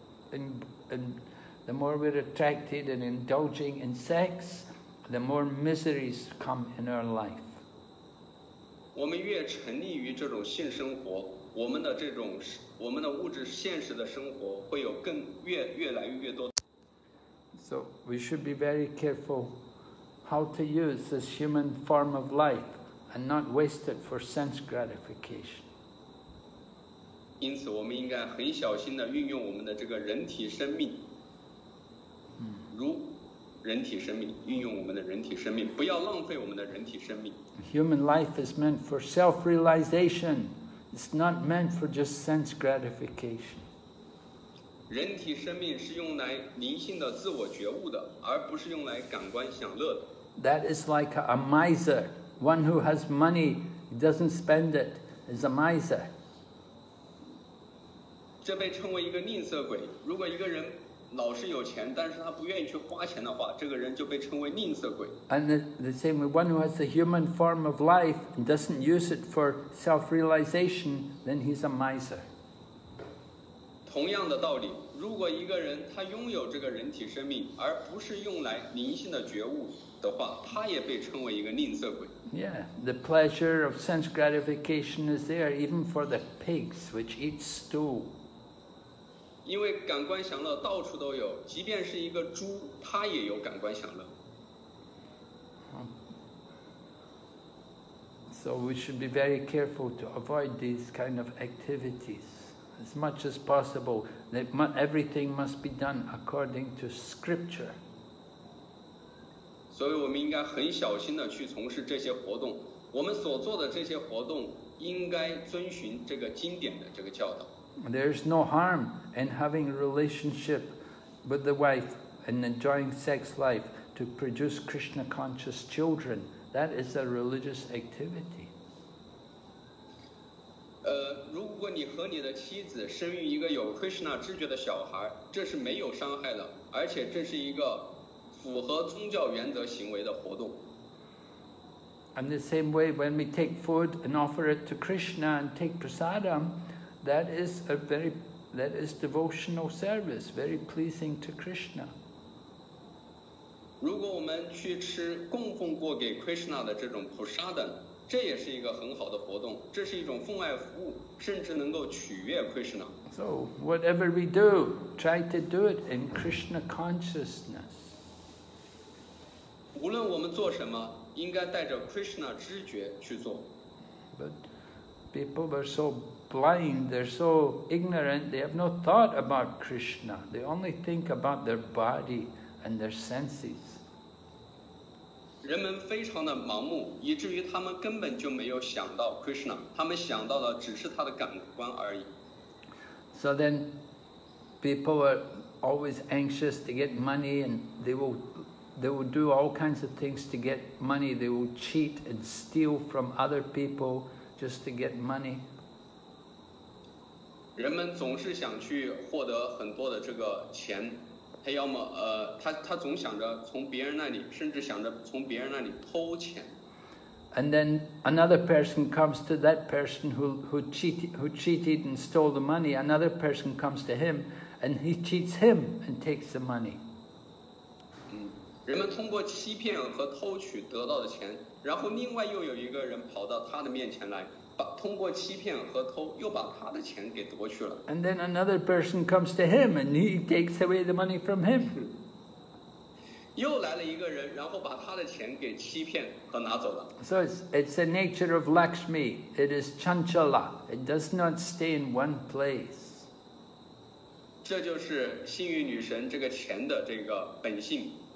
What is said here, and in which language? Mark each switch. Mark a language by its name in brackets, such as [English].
[English] The more we're attracted and indulging in sex, the more miseries come in our life. [Chinese] 我们越沉溺于这种性生活，我们的物质现实的生活会有越来越多。 [English] So we should be very careful how to use this human form of life and not waste it for sense gratification. [Chinese] 因此我们应该很小心地运用我们的这个人体生命，如人体生命，运用我们的人体生命，不要浪费我们的人体生命。 [English] Human life is meant for self-realization. It's not meant for just sense gratification. [Chinese] 人体生命是用来灵性的自我觉悟的，而不是用来感官享乐的。 [English] That is like a miser. One who has money, doesn't spend it, is a miser. [Chinese] 这被称为一个吝啬鬼。如果一个人老是有钱，但是他不愿意去花钱的话，这个人就被称为吝啬鬼。 [English] And the same way, one who has a human form of life and doesn't use it for self-realization, then he's a miser. [Chinese] 同样的道理，如果一个人他拥有这个人体生命，而不是用来灵性的觉悟的话，他也被称为一个吝啬鬼。 [English] Yeah, the pleasure of sense gratification is there even for the pigs which eat stool. [Chinese] 因为感官享乐到处都有，即便是一个猪，它也有感官享乐。 [English] So we should be very careful to avoid these kind of activities. As much as possible, everything must be done according to scripture. [Chinese] 所以我们应该很小心地去从事这些活动。我们所做的这些活动应该遵循这个经典的这个教导。 [English] There is no harm in having a relationship with the wife and enjoying sex life to produce Krishna conscious children. That is a religious activity. [Chinese] 如果你和你的妻子生育一个有 Krishna 知觉的小孩，这是没有伤害的，而且这是一个符合宗教原则行为的活动。 [English] And the same way, when we take food and offer it to Krishna and take prasadam, that is devotional service, very pleasing to Krishna. [Chinese] 如果我们去吃供奉过给 Krishna 的这种 prasadam。这也是一个很好的活动，这是一种奉爱服务，甚至能够取悦 Krishna。 [English] So whatever we do, try to do it in Krishna consciousness. [Chinese] 无论我们做什么，应该带着 Krishna 知觉去做。 [English] But people are so blind, they're so ignorant, they have no thought about Krishna. They only think about their body and their senses. [Chinese] 人们非常的盲目，以至于他们根本就没有想到 Krishna， 他们想到的只是他的感官而已。 [English] So then, people are always anxious to get money, and they will do all kinds of things to get money. They will cheat and steal from other people just to get money. [Chinese] 人们总是想去获得很多的这个钱。他要么他总想着从别人那里，甚至想着从别人那里偷钱。 [English] And then another person comes to that person who cheated and stole the money. Another person comes to him and he cheats him and takes the money. [Chinese] 人们通过欺骗和偷取得到的钱，然后另外又有一个人跑到他的面前来，把通过欺骗和偷又把他的钱给夺去了。 [English] And then another person comes to him and he takes away the money from him. [Chinese] 又来了一个人，然后把他的钱给欺骗和拿走了。 [English] So it's the nature of Lakshmi. It is Chanchala. It does not stay in one place. [Chinese] 这就是幸运女神这个钱的这个本性。